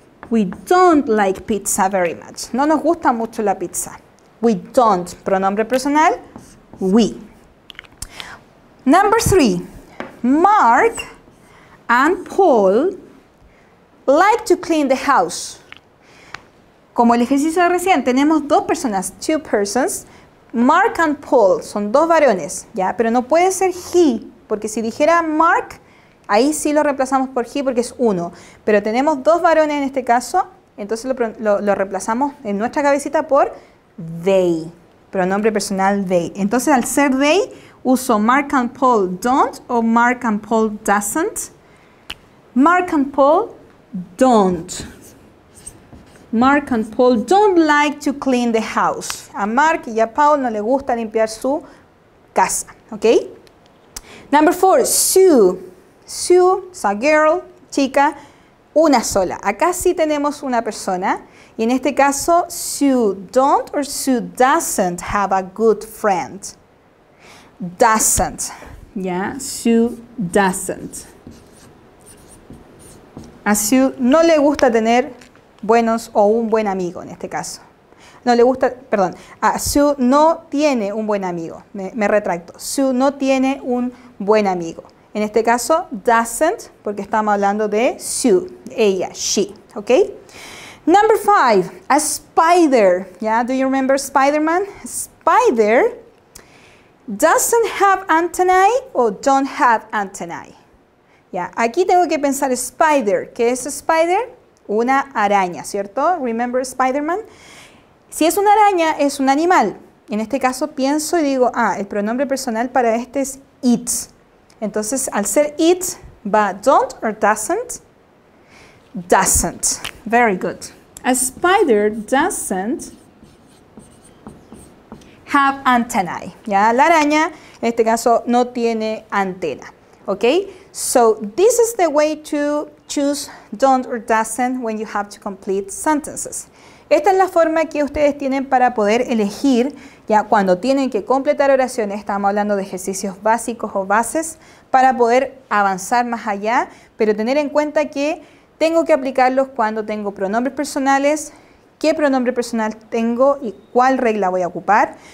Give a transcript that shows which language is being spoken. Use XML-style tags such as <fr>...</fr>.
<en>We don't like pizza very much.</en> <es>No nos gusta mucho la pizza.</es> <en>We don't.</en> <es>Pronombre personal.</es> <en>We. Number three. Mark and Paul like to clean the house.</en> <es>Como el ejercicio de recién, tenemos dos personas.</es> <en>Two persons.</en> <es>Mark and Paul son dos varones, ¿ya? Pero no puede ser he, porque si dijera Mark, ahí sí lo reemplazamos por he porque es uno. Pero tenemos dos varones en este caso, entonces lo reemplazamos en nuestra cabecita por they, pronombre personal they. Entonces al ser they, uso Mark and Paul don't o Mark and Paul doesn't.</es> <en>Mark and Paul don't. Mark and Paul don't like to clean the house.</en> <es>A Mark y a Paul no le gusta limpiar su casa, ¿ok?</es> <en>Number four, Sue. Sue is a girl,</en> <es>chica, una sola. Acá sí tenemos una persona. Y en este caso,</es> <en>Sue don't or Sue doesn't have a good friend. Doesn't. Yeah, Sue doesn't.</en> <es>A Sue no le gusta tener buenos o un buen amigo en este caso. No le gusta, perdón, Sue no tiene un buen amigo. Me retracto. Sue no tiene un buen amigo. En este caso, doesn't, porque estamos hablando de Sue, ella, she, ¿ok?</es> <en>Number five, a spider. Yeah, do you remember Spider-Man? Spider doesn't have antennae or don't have antennae. Yeah,</en> <es>aquí tengo que pensar spider. ¿Qué es spider? Una araña, ¿cierto?</es> <en>Remember Spider-Man?</en> <es>Si es una araña, es un animal. En este caso, pienso y digo, el pronombre personal para este es it. Entonces, al ser it, va</es> <en>don't or doesn't? Doesn't. Very good. A spider doesn't have antennae.</en> <es>¿Ya? La araña, en este caso, no tiene antena.</es> <en>¿Ok? So, this is the way to choose don't or doesn't when you have to complete sentences.</en> <es>Esta es la forma que ustedes tienen para poder elegir ya cuando tienen que completar oraciones. Estamos hablando de ejercicios básicos o bases para poder avanzar más allá, pero tener en cuenta que tengo que aplicarlos cuando tengo pronombres personales, qué pronombre personal tengo y cuál regla voy a ocupar.</es>